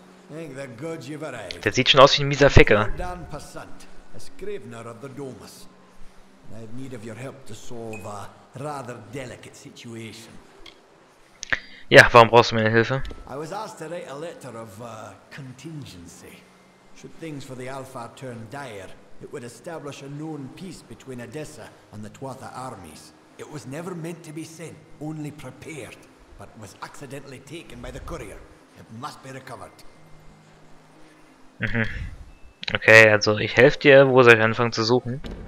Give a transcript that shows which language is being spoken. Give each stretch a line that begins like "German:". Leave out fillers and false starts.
German: Der sieht schon aus wie ein mieser Ficker.
English: Scrivener of the Domus. I have need of your help to solve a rather delicate situation.
German: Ja, warum brauchst du meine Hilfe?
English: I was asked to write a letter of contingency. Should things for the Alpha turn dire, it would establish a known peace between Edessa and the Tuatha armies. It was never meant to be sent, only prepared, but was accidentally taken by the courier. It must be recovered. Mhm.
German: Okay, also ich helfe dir, wo soll ich anfangen zu suchen?